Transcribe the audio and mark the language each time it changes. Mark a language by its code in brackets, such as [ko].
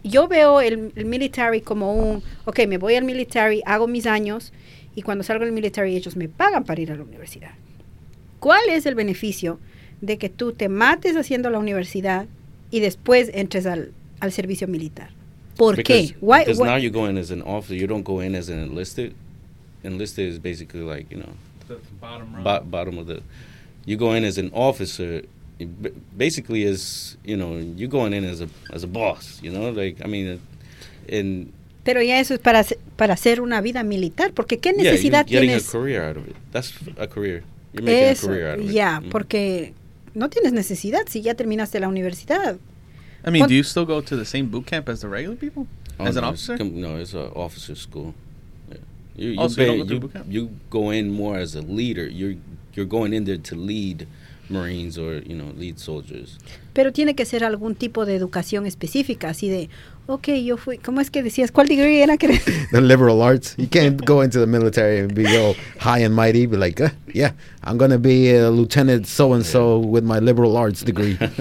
[es] Yo veo el military como un, ok, me voy al military, hago mis años, y cuando salgo del military ellos me pagan para ir a la universidad. ¿Cuál es el beneficio de que tú te mates haciendo la universidad y después entres al servicio militar? ¿Por [en] because, [es] qué? [en] Why, because why? Now you go in as an officer, you don't go in as an enlisted. Enlisted is basically like, you know, the bottom row. Bottom of the, you go in as an officer. Basically, is, you know, you're going in as a boss, you know, like, I mean, in. [es] Pero ya eso es para hacer una vida militar, porque qué necesidad tienes. [en] Yeah, you're getting a career out of it. That's a career. You're making [es] eso, [en] a career out of it. Yeah, mm-hmm. [es] Porque no tienes necesidad si ya terminaste la universidad. [en] I mean, do you still go to the same boot camp as the regular people? Oh, as an officer? No, it's an officer school. You go in more as a leader. You're going in there to lead Marines or, you know, lead soldiers. [es] Pero tiene que ser algún tipo de educación específica, así de, okay, yo fui, ¿cómo es que decías? ¿Cuál degree era? [en] The liberal arts. You can't go into the military and be all high and mighty, be like, yeah, I'm going to be a lieutenant so-and-so with my liberal arts degree.